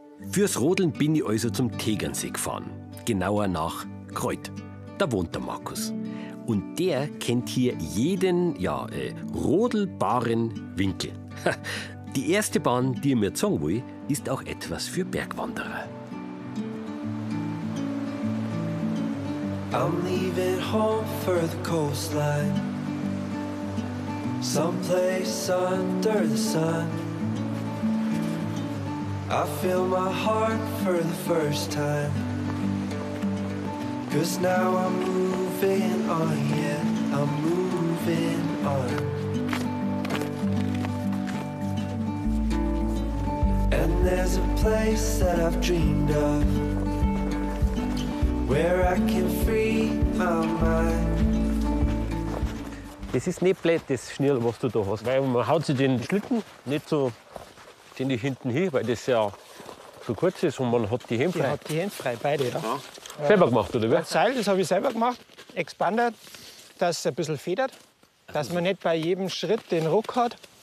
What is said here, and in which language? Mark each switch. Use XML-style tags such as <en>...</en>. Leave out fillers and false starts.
<de>Fürs Rodeln bin ich also zum Tegernsee gefahren. Genauer nach Kreuth. Da wohnt der Markus. Und der kennt hier jeden, ja, rodelbaren Winkel. Die erste Bahn, die ich mir zeigen will, ist auch etwas für Bergwanderer.</de> <en>I'm leaving home for the coastline, someplace under the sun. I feel my heart for the first time, 'cause now I'm moving on, yeah, I'm moving on. And there's a place that I've dreamed of, where I can free my mind.</en> <de>Das ist nicht blöd, das Schnirl, was du da hast. Weil man haut sich den Schlitten nicht so ständig hinten hin, weil das ja so kurz ist und man hat die Hände frei. Die hat die Hände frei, beide, ja. Selber gemacht, oder wie? Das Seil, das habe ich selber gemacht. Expander, dass es ein bisschen federt, dass man nicht bei jedem Schritt den Ruck hat.</de>